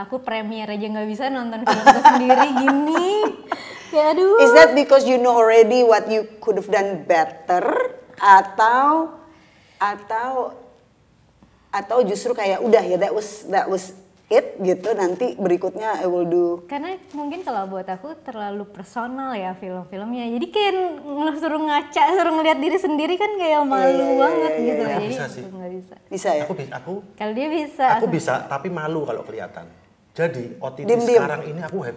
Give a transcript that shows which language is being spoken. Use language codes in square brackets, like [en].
[id] Aku premier aja nggak bisa nonton filmku sendiri gini. Ya aduh. [en] Is that because you know already what you could have done better [id] atau justru kayak udah ya [en] that was it [id] gitu nanti berikutnya [en] I will do [id] karena mungkin kalau buat aku terlalu personal ya film-filmnya jadi kayak suruh ngaca suruh ngeliat diri sendiri kan kayak malu banget gitu ya jadi bisa sih nggak bisa bisa ya aku kalau dia bisa aku bisa tapi malu kalau kelihatan jadi otitis sekarang ini aku happy